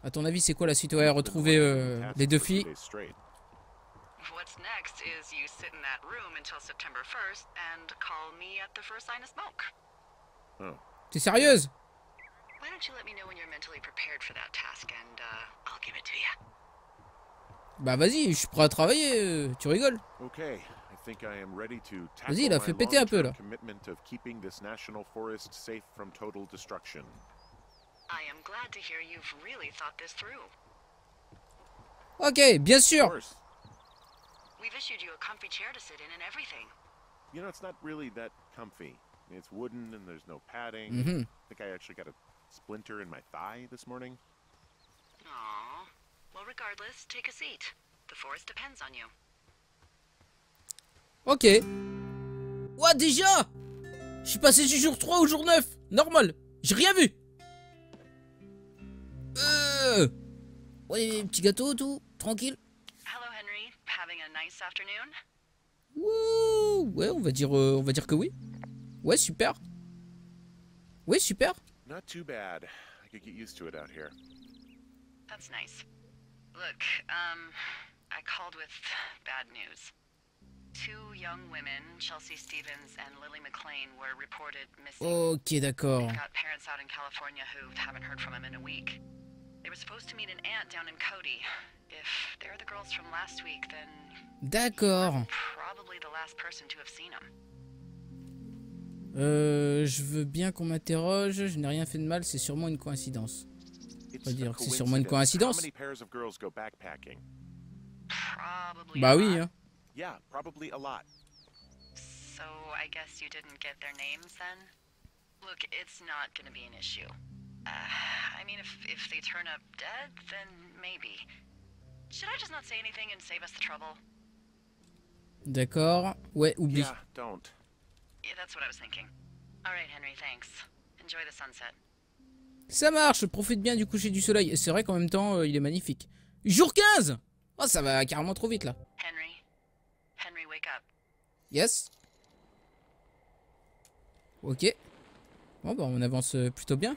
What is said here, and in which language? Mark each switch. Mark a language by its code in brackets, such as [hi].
[fr] À ton avis, c'est quoi la suite où elle a retrouvé les deux filles? [en] What's next is you sit in that room until September 1st and call me at the first sign of smoke. Oh. [fr] T'es sérieuse? [en] Why don't you let me know when you're mentally prepared for that task and I'll give it to you. [fr] Bah vas-y, je suis prêt à travailler, tu rigoles? [en] Okay. I think I am ready to tackle my long-term commitment of keeping this national forest safe from total destruction. I am glad to hear you've really thought this through. [fr] Ok, bien sûr. [en] We've issued you a comfy chair to sit in and everything. You know, it's not really that comfy. It's wooden and there's no padding. Mm-hmm. I think I actually got a splinter in my thigh this morning. Aww. Well, regardless, take a seat. The forest depends on you. [fr] Ok. Ouah, déjà. Je suis passé du jour 3 au jour 9. Normal. J'ai rien vu. Ouais, petit gâteau, tout. Tranquille. [en] Hello, Henry. Having a nice afternoon? [fr] Wouh. Ouais, on va dire que oui. Ouais, super. Ouais, super. [en] Not too bad. I could get used to it out here. That's nice. Look, I called with bad news. Two young women, Chelsea Stevens and Lily McLean, were reported missing. [fr] Ok, d'accord. [en] They've got parents out in California who haven't heard from them in a week. They were supposed to meet an aunt down in Cody. If they're the girls from last week, then [fr] d'accord. [en] Probably the last person to have seen them. [fr] Je veux bien qu'on m'interroge. Je n'ai rien fait de mal. C'est sûrement une coïncidence. On va dire que c'est sûrement une coïncidence. [en] How many pairs of girls go backpacking? Probably. [fr] Bah oui. Hein. [en] Yeah, probably a lot. So, I guess you didn't get their names then? Look, it's not gonna be an issue. I mean, if they turn up dead, then maybe. Should I just not say anything and save us the trouble? [fr] D'accord. Ouais, oublie. [en] Yeah, don't. Yeah, that's what I was thinking. All right, Henry, thanks. enjoy the sunset. [fr] Ça marche, profite bien du coucher du soleil. C'est vrai qu'en même temps, il est magnifique. Jour 15! Oh, ça va carrément trop vite, là. [en] Henry. Henry, wake up. Yes. [fr] Ok. Bon, bah, on avance plutôt bien.